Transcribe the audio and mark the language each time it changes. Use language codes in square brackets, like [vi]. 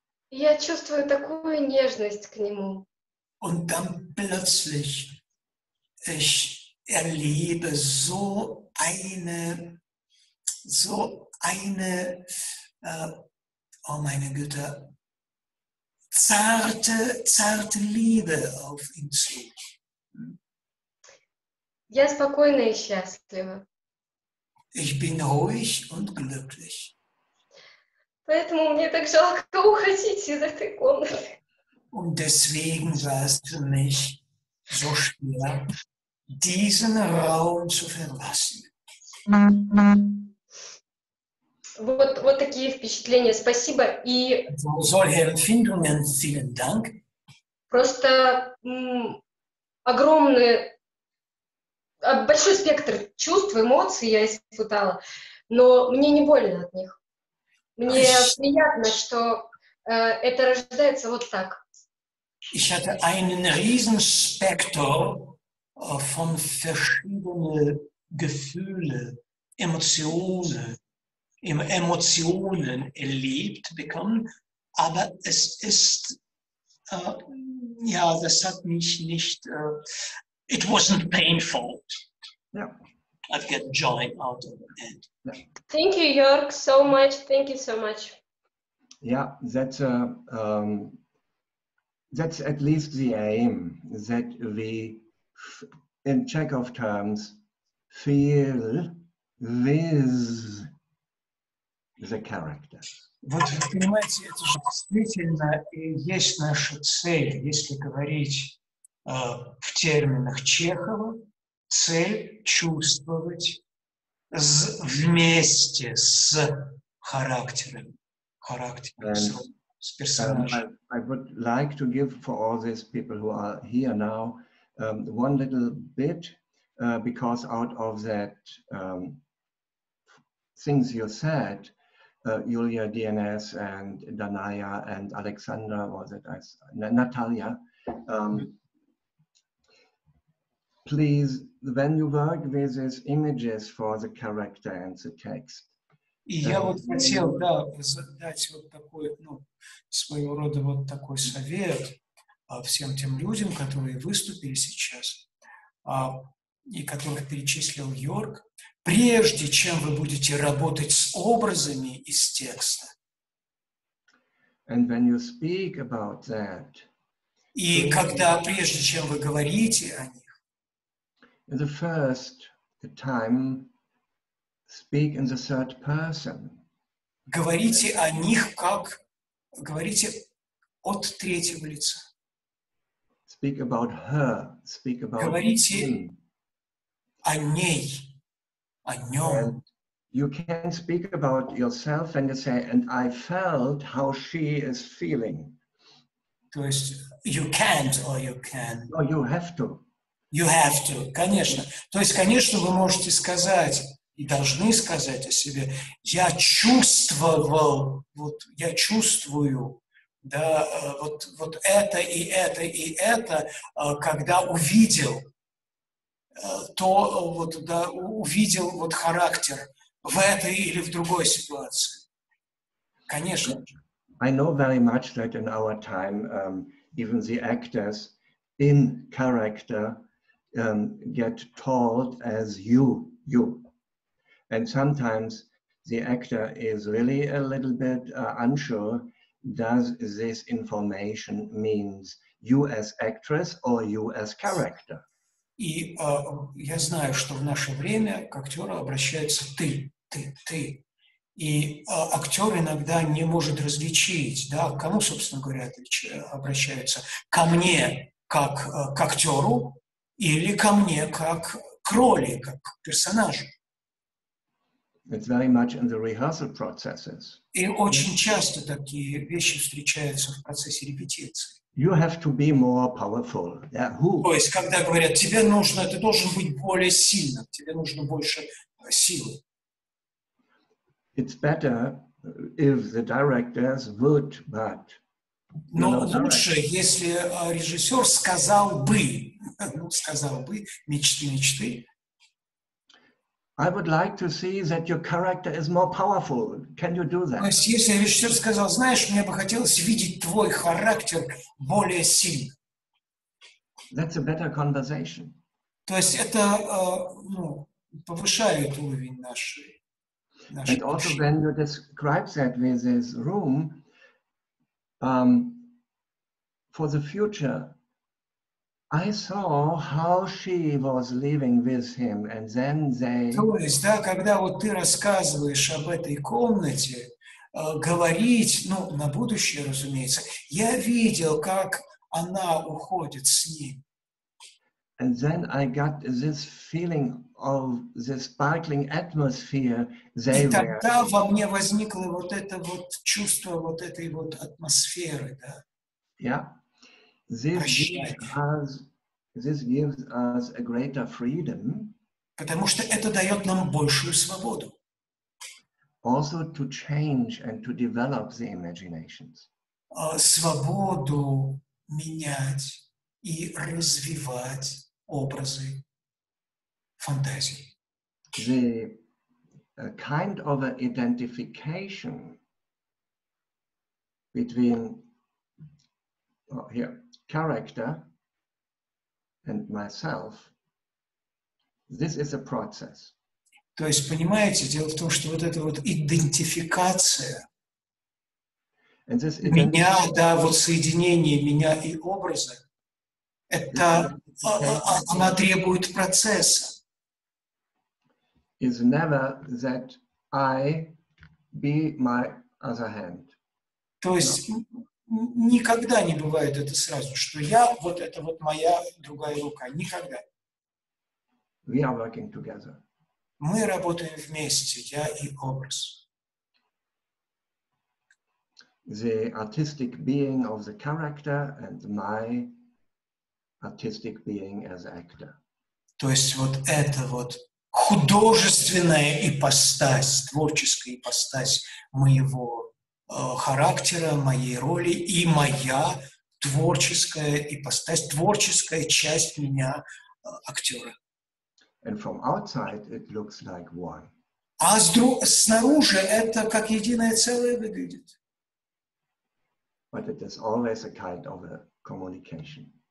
[ru] Я чувствую такую нежность к нему. [de] Und dann plötzlich ich erlebe oh meine Güte, zarte Liebe auf ihn zu. [ru] Я спокойна и счастлива. [de] Ich bin ruhig und glücklich. [ru] Поэтому мне так жалко уходить из этой комнаты. [de] Und deswegen war es für mich so schwer, diesen Raum zu verlassen. [ru] Вот такие впечатления. Спасибо. И [de] solche Empfindungen, vielen Dank. [ru] Просто огромный, большой спектр чувств, эмоций я испытала, но мне не больно от них. Мне приятно, что это рождается вот так. [de] Ich hatte einen riesen Spektrum von verschiedenen Gefühlen, Emotionen erlebt bekommen, aber es ist, ja, das hat mich nicht, [en] it wasn't painful. Yeah. I've got joy out of it. Yeah. Thank you, Joerg, so much. Thank you so much. Yeah, that's at least the aim, that we... in Chekhov terms, feel with the character. [ru] Вот вы понимаете, это же действительно и есть наша цель, если говорить в терминах Чехова, цель чувствовать вместе с характером, с персонажем. [en] I would like to give for all these people who are here now, one little bit because out of that things you said, Julia DNS and Danaya and Alexandra, was it Natalia? Please, when you work with these images for the character and the text. [ru] И я вот хотел, да, задать вот такой, ну, своего рода вот такой совет всем тем людям, которые выступили сейчас, и которых перечислил Йорк. Прежде чем вы будете работать с образами из текста. [en] And when you speak about that, [ru] и когда, прежде чем вы говорите о них, [en] the first time, speak in the third person. [ru] Говорите о них как, говорите от третьего лица. [en] Speak about her, speak about [ru] говорите [en] him. [ru] О ней, о нем. [en] And you can speak about yourself and you say, and I felt how she is feeling. [ru] То есть, [en] you can't or you can. No, you have to. You have to, [ru] конечно. То есть, конечно, вы можете сказать, и должны сказать о себе, я чувствовал, вот я чувствую, да, вот, вот это и это и это, когда увидел то, вот, да, увидел вот характер в этой или в другой ситуации. Конечно. [en] I know very much that in our time, even the actors in character get told as you, you. And sometimes the actor is really a little bit unsure, does this information means you as actress or you as character? [ru] И я знаю, что в наше время к актеру обращаются ты, ты, ты. И актер иногда не может различить, да, к кому, собственно говоря, обращаются, ко мне как к актеру или ко мне как к роли, как к персонажу. [en] It's very much in the rehearsal processes. [ru] И очень часто такие вещи встречаются в процессе репетиции. [en] You have to be more powerful. Yeah, who? [ru] То есть, когда говорят, тебе нужно, ты должен быть более сильным, тебе нужно больше силы. [en] It's better if the directors would, but... [ru] Но лучше, если режиссер сказал бы, ну, сказал бы, мечты, мечты. [en] I would like to see that your character is more powerful. Can you do that? [ru] То есть, если режиссер сказал, знаешь, мне бы хотелось видеть твой характер более сильным. [en] That's a better conversation. [ru] То есть, это ну, повышает уровень нашей. [en] And also, when you describe that with this room, for the future, I saw how she was living with him, and then they... [ru] То есть, да, когда вот ты рассказываешь об этой комнате, говорить, ну, на будущее, разумеется, я видел, как она уходит с ним. [en] And then I got this feeling of the sparkling atmosphere they [ru] и [en] were... [ru] И тогда во мне возникло вот это вот чувство вот этой вот атмосферы, да? [en] Yeah. This gives us a greater freedom. [ru] Потому что это дает нам большую свободу. [en] Also to change and to develop the imaginations. [ru] Свободу менять и развивать образы фантазии. [en] The kind of an identification between character and myself, this is a process. [ru] То есть, понимаете, дело в том, что вот эта вот идентификация меня, да, вот соединение меня и образа, это, она требует процесса. [en] Is never that I be my other hand. [ru] То есть, никогда не бывает это сразу, что я, вот это вот моя другая рука. Никогда. [en] We are working together. [ru] Мы работаем вместе, я и образ. [en] The artistic being of the character and my artistic being as actor. [ru] То есть вот эта вот художественная ипостась, творческая ипостась моего характера, моей роли и моя творческая ипостась, творческая часть меня, актера. [en] And from outside it looks like one. [ru] А снаружи это как единое целое выглядит. [en] But it is always a kind of a communication.